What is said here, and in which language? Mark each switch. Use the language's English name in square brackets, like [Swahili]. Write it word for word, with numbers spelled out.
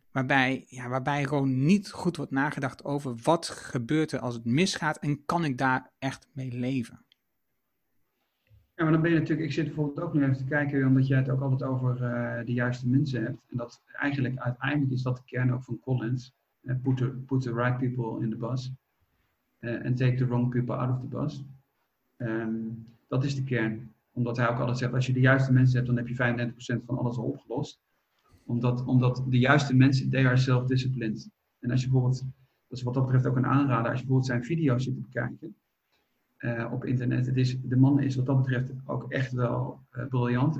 [Dutch] Waarbij, ja, waarbij gewoon niet goed wordt nagedacht over wat gebeurt er als het misgaat en kan ik daar echt mee leven. Ja, maar dan ben je natuurlijk, ik zit bijvoorbeeld ook nu even te kijken, omdat jij het ook altijd over uh, de juiste mensen hebt. En dat eigenlijk, uiteindelijk is dat de kern ook van Collins. [English] Uh, put, the, put the right people in the bus. Uh, and take the wrong people out of the bus. [Dutch] Um, dat is de kern. Omdat hij ook altijd zegt, als je de juiste mensen hebt, dan heb je vijfendertig procent van alles al opgelost. Omdat, omdat de juiste mensen, [English] they are self-disciplined. [Dutch] En als je bijvoorbeeld, dat is wat dat betreft ook een aanrader, als je bijvoorbeeld zijn video's zit te bekijken uh, op internet. Het is, de man is wat dat betreft ook echt wel uh, briljant.